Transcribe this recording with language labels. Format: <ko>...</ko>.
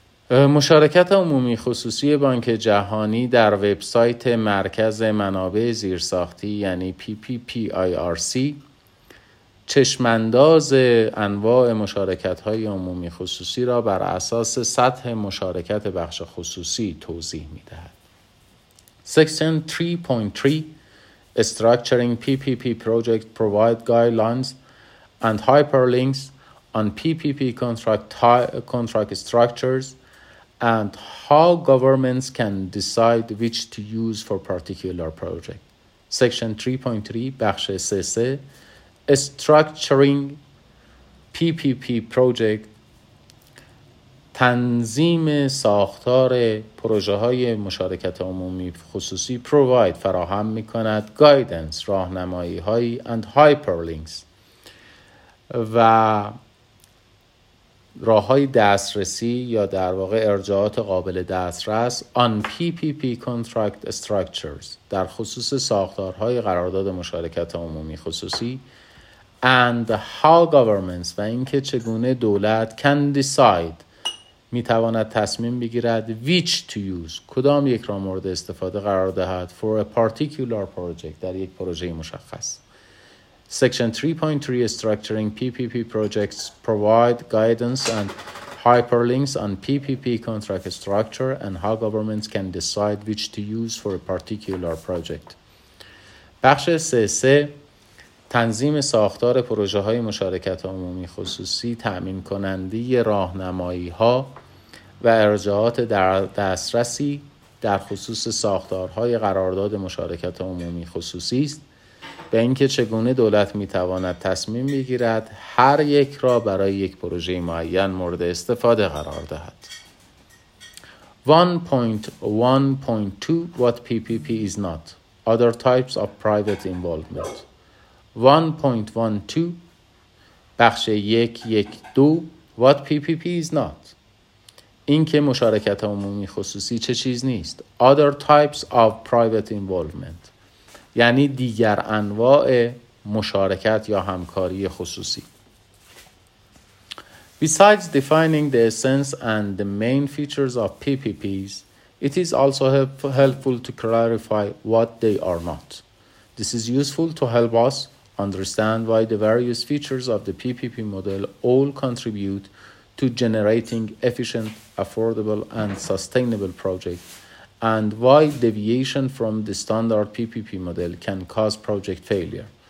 <fa>مشارکت عمومی خصوصی بانک جهانی در وبسایت مرکز منابع زیرساختی یعنی PPPIRC چشمنداز انواع مشارکت‌های عمومی خصوصی را بر اساس سطح مشارکت بخش خصوصی توضیح می‌دهد.</fa> <en>Section 3.3 Structuring PPP Project Provide Guidelines and Hyperlinks on PPP contract structures and how governments can decide which to use for particular project. Section 3.3</en> <fa>بخش 3.3</fa> <en>Structuring PPP Project</en> <fa>تنظیم ساختار پروژه های مشارکت عمومی خصوصی</fa> <en>provide</en> <fa>فراهم می کند</fa> <en>guidance</en> <fa>راهنمایی های</fa> <en>and hyperlinks</en> <fa>و راه های دسترسی یا در واقع ارجاعات قابل دسترس</fa> <en>on PPP contract structures</en> <fa>در خصوص ساختارهای قرارداد مشارکت عمومی خصوصی</fa> <en>and how governments</en> <fa>و اینکه چگونه دولت</fa> <en>can decide</en> <fa>میتواند تصمیم بگیرد</fa> <en>which to use</en> <fa>کدام یک را مورد استفاده قرار دهد</fa> <en>for a particular project</en> <fa>در یک پروژه مشخص.</fa> <en>Section 3.3 structuring PPP projects provide guidance and hyperlinks on PPP contract structure and how governments can decide which to use for a particular project.</en> <fa>بخش 3.3 تنظیم ساختار پروژه‌های مشارکت عمومی خصوصی، تأمین کننده راهنمایی‌ها و ارجاعات در دسترسی در خصوص ساختارهای قرارداد مشارکت عمومی خصوصی است، به اینکه چگونه دولت می‌تواند تصمیم بگیرد هر یک را برای یک پروژه معین مورد استفاده قرار دهد.</fa> <en>1.1.2 What PPP is not. Other types of private involvement. 1.12</en> <fa>بخش</fa> <en>1.1.2 What PPP is not.</en> <fa>اینکه مشارکت عمومی خصوصی چه چیز نیست.</fa> <en>Other types of private involvement.</en> <fa>یعنی دیگر انواع مشارکت یا همکاری خصوصی.</fa> <en>Besides defining the essence and the main features of PPPs, it is also helpful to clarify what they are not. This is useful to help us understand why the various features of the PPP model all contribute to generating efficient, affordable, and sustainable projects, and why deviation from the standard PPP model can cause project failure.</en>